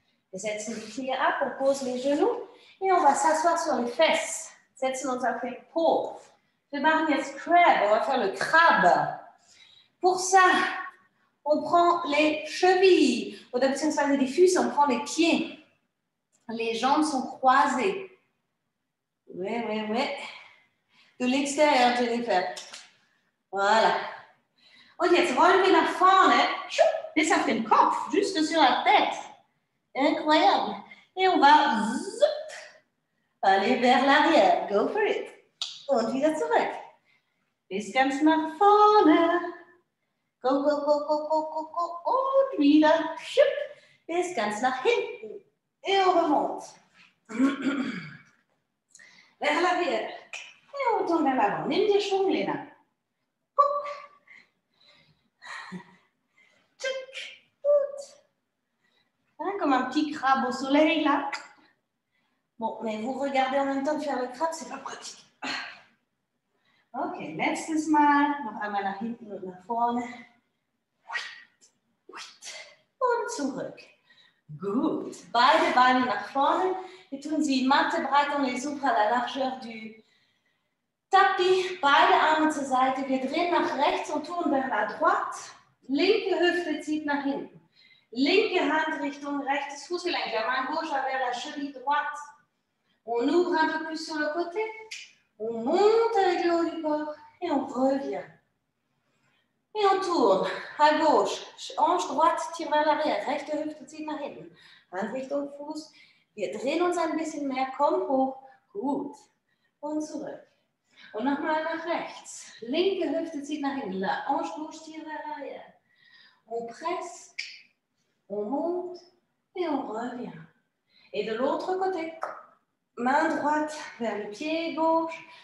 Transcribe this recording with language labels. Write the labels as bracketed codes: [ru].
[de] Wir setzen die Knie ab und posen les genoux. [fr] Et on va s'asseoir sur les fesses. [de] Setzen uns auf den Po. Wir machen jetzt Crab. [fr] On va faire le crabe. Pour ça, on prend les chevilles. [de] Oder beziehungsweise die Füße, [fr] on prend les pieds. Les jambes sont croisées. Oui, oui, oui. De l'extérieur, Jennifer. Voilà. [de] Und jetzt rollen wir nach vorne, bis auf den Kopf, [fr] juste sur la tête. Incroyable. Et on va zoop, aller vers l'arrière. [en] Go for it. [de] Und wieder zurück. Bis ganz nach vorne. [en] Go, go, go, go, go, go, go. [de] Und wieder. Bis ganz nach hinten. [fr] Et on remonte. Vers l'arrière. Et on tourne vers l'avant. [de] Nimm dir Schwung, [fr] Lena. Hein, comme un petit crabe au soleil, là. Bon, mais vous regardez en même temps de faire le crabe, c'est pas pratique. [de] Ok, nächstes Mal. Noch einmal nach hinten und nach vorne. Und zurück. Gut. Beide Beine nach vorne. Et tun Sie Matte breiten [fr] les oufres à la largeur du tapis. [de] Beide Arme zur Seite. Wir drehen nach rechts und tun [fr] vers la droite. [de] Linke Hüfte zieht nach hinten. Linke Hand Richtung rechtes Fußgelenk. [fr] La main gauche vers la cheville droite. On ouvre un peu plus sur le côté. On monte avec le haut du corps. Et on revient. Et on tourne. À gauche. Hanche droite tire vers l'arrière. [de] Rechte Hüfte zieht nach hinten. Hand Richtung Fuß. Wir drehen uns ein bisschen mehr. Komm hoch. Gut. Und zurück. Und nochmal nach rechts. Linke Hüfte zieht nach hinten. [fr] La hanche gauche tire vers l'arrière. On presse. On monte et on revient. Et de l'autre côté, main droite vers le pied gauche.